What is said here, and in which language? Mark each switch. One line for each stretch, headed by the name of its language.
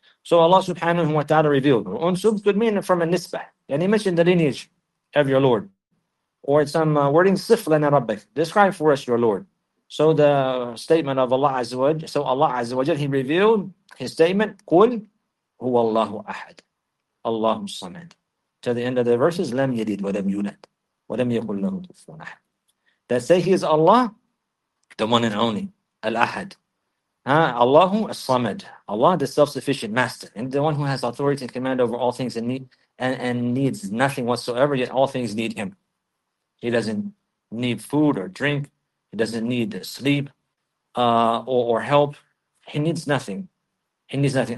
English: So Allah subhanahu wa ta'ala revealed, unsub could mean from a nisbah, yani mention the lineage of your Lord. Or it's some wording,
Arabic: sif lana rabbik,
English: describe for us your Lord. So the statement of Allah Azza wa Jal, so Allah Azza wa Jal, he revealed his statement,
Arabic: قُلْ هُوَ اللَّهُ أَحَدْ اللَّهُ الصَّمَدْ.
English: To the end of the verses,
Arabic: لَمْ يَلِدْ وَلَمْ يُولَدْ وَلَمْ يَقُلْ لَهُ كُفُوًا أَحَدْ.
English: That say he is Allah, the one and only, Al-Ahad. Allahu الصَّمَدْ. Allah, the self-sufficient master, and the one who has authority and command over all things and needs nothing whatsoever, yet all things need him. He doesn't need food or drink. He doesn't need sleep or help. He needs nothing. He needs nothing.